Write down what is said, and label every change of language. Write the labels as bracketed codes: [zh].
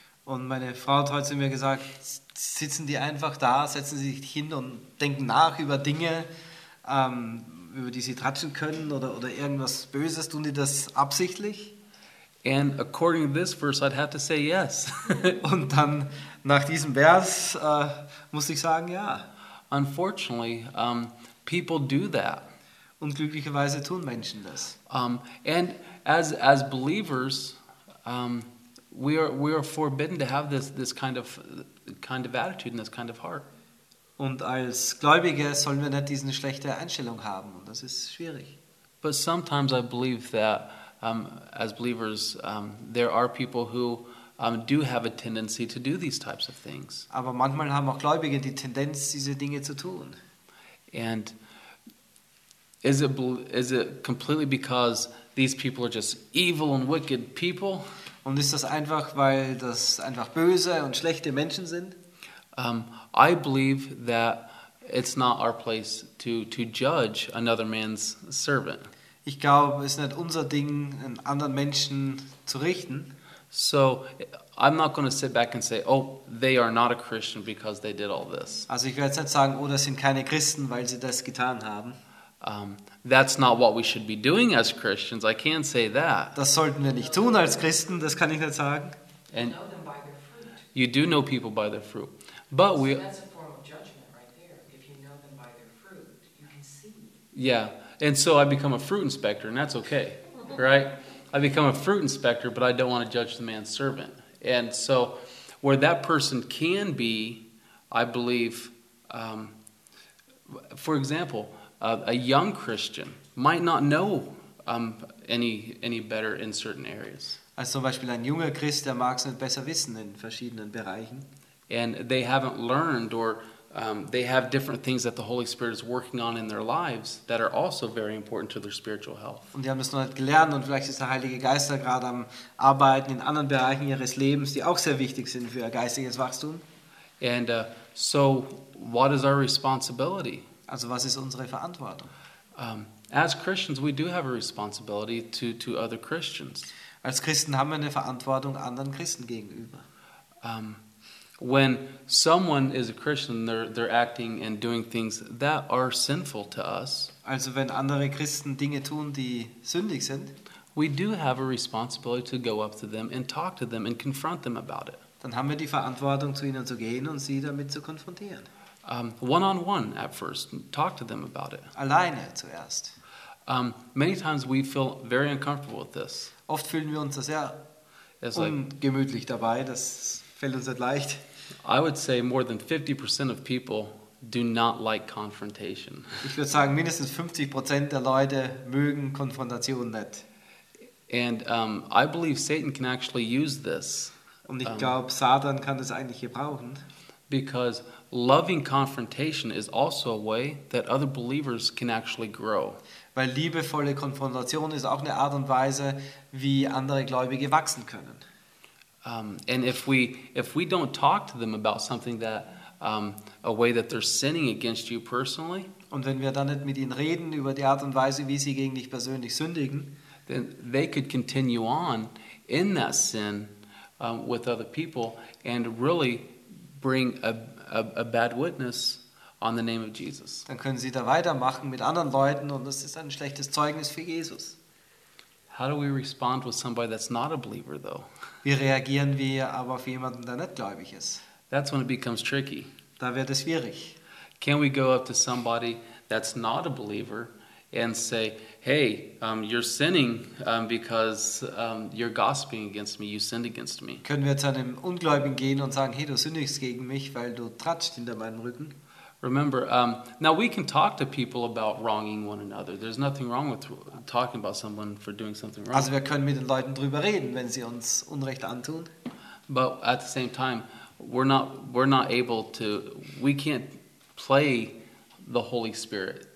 [de] Und meine Frau hat heute mir gesagt, sitzen die einfach da, setzen sie sich hin und denken nach über Dinge, über die sie tratschen können oder irgendwas Böses, tun die das absichtlich? [en] And according to this verse, I'd have to say yes. [de] Und dann nach diesem Vers muss ich sagen, ja. [en] Unfortunately, people do that. [de] Und glücklicherweise tun Menschen das. [en] And as believers, we are forbidden to have this kind of attitude and this kind of heart. [de] Und als Gläubige sollen wir nicht diese schlechte Einstellung haben. Und das ist schwierig. [en] But sometimes I believe that as believers, there are people who do have a tendency to do these types of things. [de] Aber manchmal haben auch Gläubige die Tendenz, diese Dinge zu tun. [en] And is it completely because these people are just evil and wicked people? [de] Und ist das einfach, weil das einfach böse und schlechte Menschen sind? [en] I believe that it's not our place to judge another man's servant. [de] Ich glaube, es ist nicht unser Ding, einen anderen Menschen zu richten. [en] So I'm not going to sit back and say, oh, they are not a Christian because they did all this. [de] Also ich werde jetzt nicht sagen, oh, das sind keine Christen, weil sie das getan haben. [en] That's not what we should be doing as Christians. I can't say that. [de] Das sollten wir nicht tun als Christen, das kann ich nicht sagen. [en] And you do know people by their fruit. But so that's a form of judgment right there. If you know them by their fruit, you can see. Yeah, and so I become a fruit inspector, and that's okay, right? I become a fruit inspector, but I don't want to judge the man's servant. And so where that person can be, I believe, for example, a young Christian might not know any better in certain areas. [de] Also zum Beispiel ein junger Christ, der mag es nicht besser wissen in verschiedenen Bereichen. [en] And they haven't learned or they have different things that the Holy Spirit is working on in their lives that are also very important to their spiritual health. [de] Und die haben das noch nicht gelernt und vielleicht ist der Heilige Geist da gerade am Arbeiten in anderen Bereichen ihres Lebens, die auch sehr wichtig sind für ihr geistiges Wachstum. [en] And so what is our responsibility? [de] Also was ist unsere Verantwortung? [en] As Christians we do have a responsibility to other Christians. [de] Als Christen haben wir eine Verantwortung anderen Christen gegenüber. [en] When someone is a Christian, they're acting and doing things that are sinful to us. [de] Also wenn andere Christen Dinge tun, die sündig sind, [en] we do have a responsibility to go up to them and talk to them and confront them about it. [de] Dann haben wir die Verantwortung, zu ihnen zu gehen und sie damit zu konfrontieren. [en] One on one at first, talk to them about it. [de] Alleine zuerst. [en] Many times we feel very uncomfortable with this. [de] Oft fühlen wir uns sehr ungemütlich dabei, dass fällt uns nicht leicht. [en] I would say more than 50% of people do not like confrontation. [de] Ich würde sagen, mindestens 50% der Leute mögen Konfrontation nicht. [en] And I believe Satan can actually use this. [de] Und ich glaube, Satan kann das eigentlich gebrauchen. [en] Because loving confrontation is also a way that other believers can actually grow. [de] Weil liebevolle Konfrontation ist auch eine Art und Weise, wie andere Gläubige wachsen können. [en] And if we don't talk to them about something that a way that they're sinning against you personally, [de] und wenn wir dann nicht mit ihnen reden über die Art und Weise, wie sie gegen dich persönlich sündigen, [en] then they could continue on in that sin with other people and really bring a bad witness on the name of Jesus. [de] Dann können sie da weitermachen mit anderen Leuten und das ist ein schlechtes Zeugnis für Jesus. [en] How do we respond with somebody that's not a believer, though? [de] Wie reagieren wir aber auf jemanden, der nicht gläubig ist? [en] That's when it becomes tricky. [de] Da wird es schwierig. [en] Can we go up to somebody that's not a believer and say, "Hey, you're sinning because you're gossiping against me. You sinned against me." [de] Können wir zu einem Ungläubigen gehen und sagen, "Hey, du sündigst gegen mich, weil du tratschst hinter meinem Rücken?" [en] Remember, now we can talk to people about wronging one another. There's nothing wrong with talking about someone for doing something wrong. [de] Also wir können mit den Leuten drüber reden, wenn sie uns Unrecht antun. [en] But at the same time, we're not able to, we can't play the Holy Spirit.